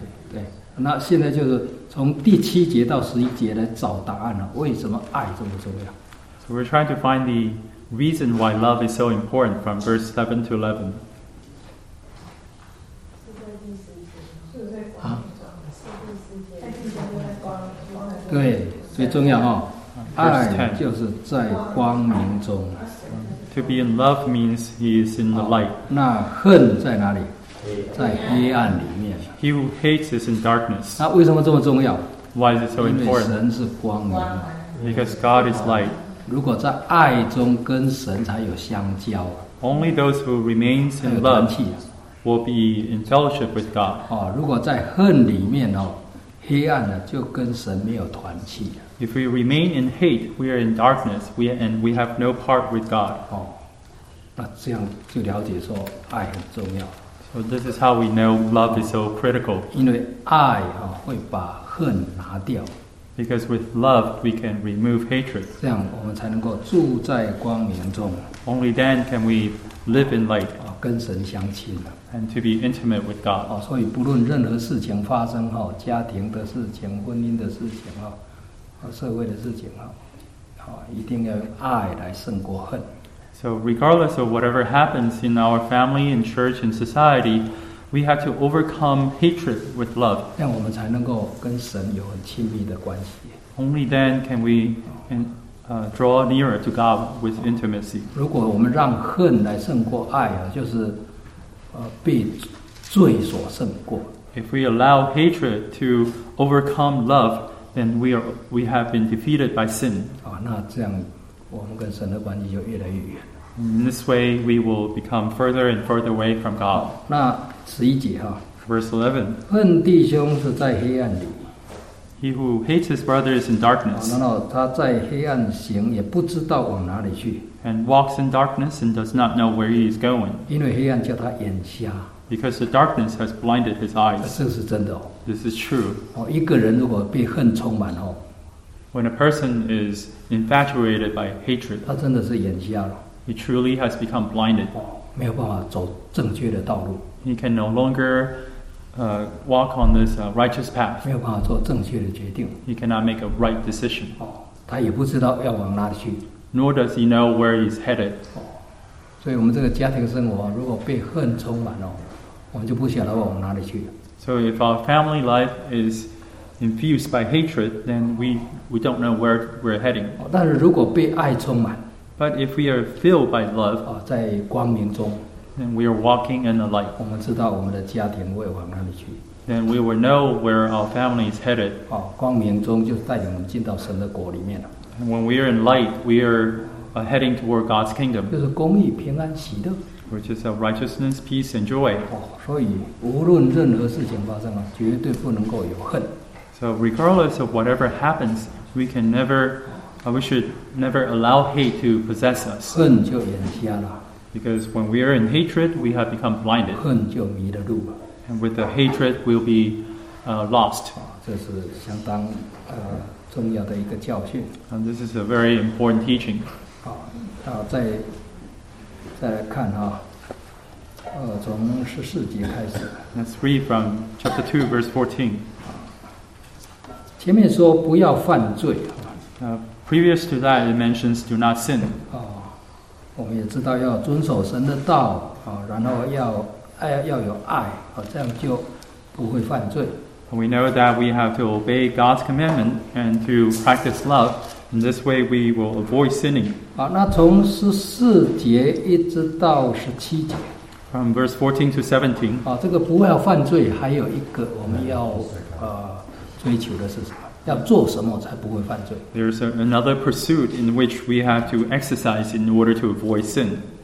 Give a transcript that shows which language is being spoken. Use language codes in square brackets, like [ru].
[zh] 对，那现在就是从第七节到十一节来找答案了。为什么爱这么重要 [en] ？So we're trying to find the reason why love is so important from verse 7 to 11. [zh] 是在第十节，是在光中，是第十节。对，最重要哈，爱就是在光明中。 [en] To be in love means he is in the light. [zh] 那恨在哪里？在黑暗里面。 [en] He who hates is in darkness. [zh] 那为什么这么重要？ [en] Why is it so important? [zh] 因为神是光明。 [en] Because God is light. [zh] 如果在爱中跟神才有相交。 [en] Only those who remain in love will be in fellowship with God. [zh] 如果在恨里面哦，黑暗呢，就跟神没有团契。 [en] If we remain in hate, we are in darkness, and we have no part with God. [zh] 那这样就了解说爱很重要。 [en] So this is how we know love is so critical. [zh] 因为爱会把恨拿掉。 [en] Because with love, we can remove hatred. [zh] 这样我们才能够住在光明中。 [en] Only then can we live in light. [zh] 跟神相亲。 [en] And to be intimate with God. [zh] 所以不论任何事情发生，家庭的事情，婚姻的事情，社会的事情一定要用爱来胜过恨。 [en] So regardless of whatever happens in our family, in church, in society, we have to overcome hatred with love. [zh] 让我们才能够跟神有很亲密的关系。 [en] Only then can we draw nearer to God with intimacy. [zh] 如果我们让恨来胜过爱就是被罪所胜过。 [en] If we allow hatred to overcome love, then we have been defeated by sin. [zh] 那这样我们跟神的关系就越来越远。 [en] In this way, we will become further and further away from God. [zh] 那十一节 [en] Verse 11. [zh] 恨弟兄是在黑暗里。 [en] He who hates his brother is in darkness. [zh] 那他在黑暗行也不知道往哪里去。 [en] And walks in darkness and does not know where he is going. [zh] 因为黑暗叫他眼瞎。 [en] Because the darkness has blinded his eyes. [zh] 这是真的 [en] This is true. [zh] 一个人如果被恨充满 [en] When a person is infatuated by hatred, [zh] 他真的是眼瞎了。 [en] He truly has become blinded. [zh] 没有办法走正确的道路。 [en] He can no longer walk on this righteous path. [zh] 没有办法做正确的决定。 [en] He cannot make a right decision. [zh] 他也不知道要往哪里去。 [en] Nor does he know where he's headed. [zh] 所以我们这个家庭生活如果被恨充满我们就不晓得往哪里去。 [en] So if our family life is infused by hatred, then we don't know where we're heading. [zh] 但是如果被爱充满 [en] But if we are filled by love, [zh] 在光明中 [en] then we are walking in the light. [zh] 我们知道我们的家庭会往哪里去。 [en] Then we will know where our family is headed. [zh] 光明中就带领我们进到神的国里面了。 [en] And when we are in light, we are heading toward God's kingdom. [zh] 就是公义、平安、喜乐。 [en] Which is of righteousness, peace, and joy. [zh] 所以无论任何事情发生绝对不能够有恨。 [en] So regardless of whatever happens, we should never allow hate to possess us. [zh] 恨就眼瞎了。 [en] Because when we are in hatred, we have become blinded. [zh] 恨就迷了路。 [en] And with the hatred, we'll be lost. [zh] 这是相当重要的一个教训。 [en] And this is a very important teaching. [zh] 再来看从十四节开始。 [en] Let's read from chapter 2, verse 14. [zh] 前面说不要犯罪。 [en] Previous to that, it mentions do not sin. [zh] 我们也知道要遵守神的道，然后要有爱，这样就不会犯罪。 [en] We know that we have to obey God's commandment and to practice love. In this way, we will avoid sinning. [zh] 那从十四节一直到十七节。 [en] from verse 14 to 17. [zh] 啊，这个不要犯罪，还有一个我们要追求的是什么？要做什么才不会犯罪？ [en] There's another pursuit in which we have to exercise in order to avoid sin.